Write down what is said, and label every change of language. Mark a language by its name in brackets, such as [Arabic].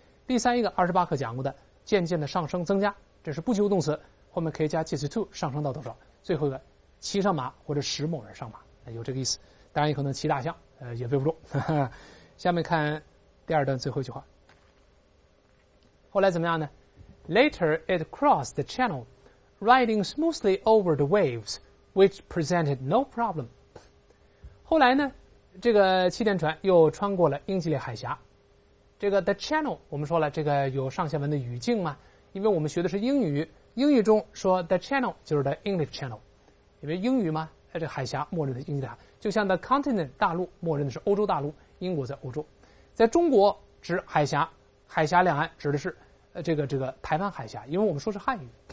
[Chinese] 第三一个28课讲过的，渐渐的上升增加，这是不及物动词，后面可以加介词 to 上升到多少。最后一个，骑上马或者使某人上马，有这个意思。当然也可能骑大象，也背不住。下面看第二段最后一句话。后来怎么样呢 [English] ？Later it crossed the channel。 Riding smoothly over the waves, which presented no problem. [Chinese] 后来呢，这个气垫船又穿过了英吉利海峡。这个 the channel， 我们说了，这个有上下文的语境嘛？因为我们学的是英语，英语中说 the channel 就是 the English channel， 因为英语嘛，这海峡默认的英吉利海，就像 the continent 大陆默认的是欧洲大陆，英国在欧洲，在中国指海峡，海峡两岸指的是这个台湾海峡，因为我们说是汉语。